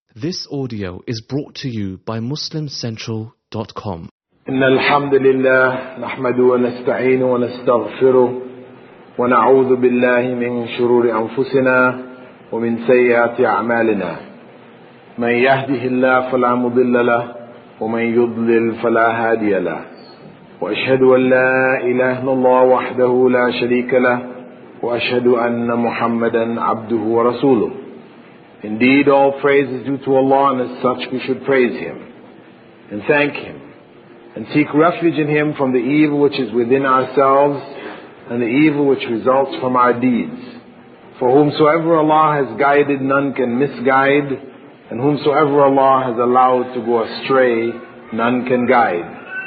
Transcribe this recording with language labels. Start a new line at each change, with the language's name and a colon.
English: This audio is brought to you by MuslimCentral.com.
Arabic: إن الحمد لله نحمد ونستعين ونستغفره ونعوذ بالله من شرور أنفسنا ومن سيئات أعمالنا. من يهده الله فلا مضل له ومن يضلل فلا هادي له. وأشهد أن لا إله إلا الله وحده لا شريك له وأشهد أن محمدا عبده ورسوله.
English: Indeed, all praise is due to Allah, and as such we should praise Him and thank Him and seek refuge in Him from the evil which is within ourselves and the evil which results from our deeds. For whomsoever Allah has guided, none can misguide, and whomsoever Allah has allowed to go astray, none can guide.